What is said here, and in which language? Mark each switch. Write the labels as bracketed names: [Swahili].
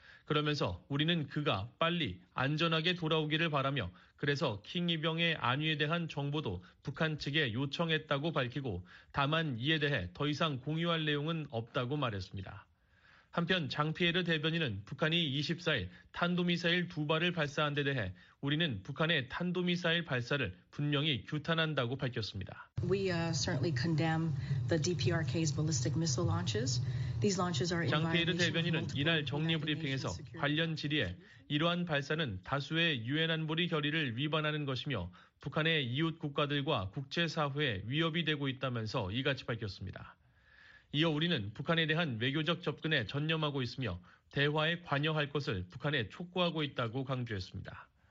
[Korean] 그러면서 우리는 그가 빨리 안전하게 돌아오기를 바라며 그래서 킹 이병의 안위에 대한 정보도 북한 측에 요청했다고 밝히고 다만 이에 대해 더 이상 공유할 내용은 없다고 말했습니다. 한편 장피에르 대변인은 북한이 24일 탄도미사일 두 발을 발사한 데 대해 우리는 북한의 탄도미사일 발사를 분명히 규탄한다고 밝혔습니다. [English] We certainly condemn the DPRK's ballistic missile launches. [Korean] 장페이르 대변인은 이날 정례 브리핑에서 관련 질의에 이러한 발사는 다수의 유엔 안보리 결의를 위반하는 것이며 북한의 이웃 국가들과 국제사회에 위협이 되고 있다면서 이같이 밝혔습니다. 이어 우리는 북한에 대한 외교적 접근에 전념하고 있으며 대화에 관여할 것을 북한에 촉구하고 있다고 강조했습니다.